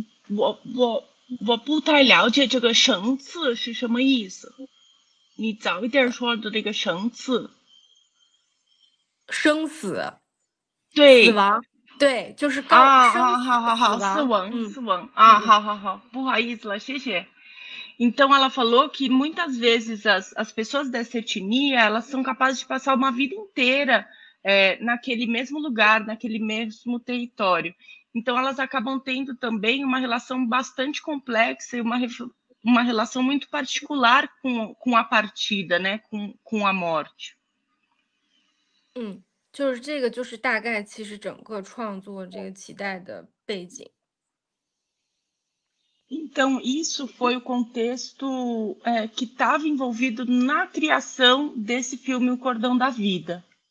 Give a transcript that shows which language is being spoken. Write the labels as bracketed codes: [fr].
[zh] 我不太了解这个层次是什么意思。你早一点说的这个层次，生死，死对，亡，对，就是告啊，生好死好死好好，亡，死亡啊，好好好，不好意思了，谢谢。 [pt] Então ela falou que muitas vezes as pessoas dessa etnia elas são capazes de passar uma vida inteira naquele mesmo lugar, naquele mesmo território. Então elas acabam tendo também uma relação bastante complexa e uma relação muito particular com a partida, né? Com a morte. [zh] 就是这个，就是大概其实整个创作这个期待的背景。 [pt] Então, isso foi o contexto que estava envolvido na criação desse filme O Cordão da Vida.